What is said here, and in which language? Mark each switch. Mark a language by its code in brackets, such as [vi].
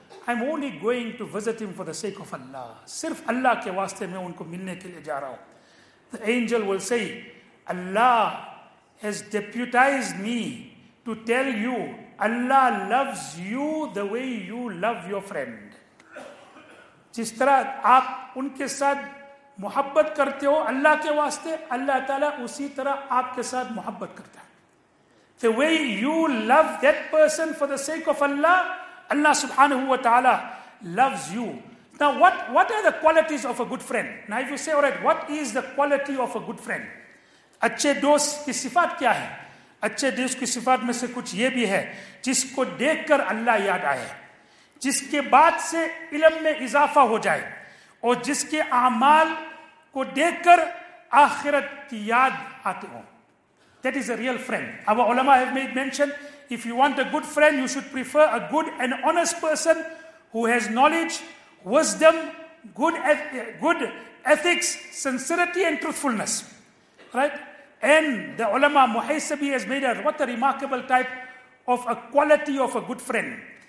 [en] I'm only going to visit him for the sake of Allah. [ur] Sirf Allah ke waaste mein unko milne ke liye ja raha hoon. [en] The angel will say, Allah has deputized me to tell you, Allah loves you the way you love your friend. [ur] جس طرح آپ ان کے ساتھ محبت کرتے ہو اللہ کے واسطے اللہ تعالیٰ اسی طرح آپ کے ساتھ محبت کرتا ہے. [en] The way you love that person for the sake of Allah, Allah subhanahu wa ta'ala loves you. Now what are the qualities of a good friend? Now if you say, all right, what is the quality of a good friend? [ur] اچھے دوست کی صفات کیا ہے؟ اچھے دوست کی صفات میں سے کچھ یہ بھی ہے جس کو دیکھ کر اللہ یاد آئے, جس کے بعد سے علم میں اضافہ ہو جائے, اور جس کے اعمال کو دیکھ کر آخرت کی یاد آتے ہوں. [en] That is a real friend. Our ulama have made mention, if you want a good friend, you should prefer a good and honest person who has knowledge, wisdom, good ethics, sincerity and truthfulness. Right? And the ulama Muhaisabi has made what a remarkable type of a quality of a good friend.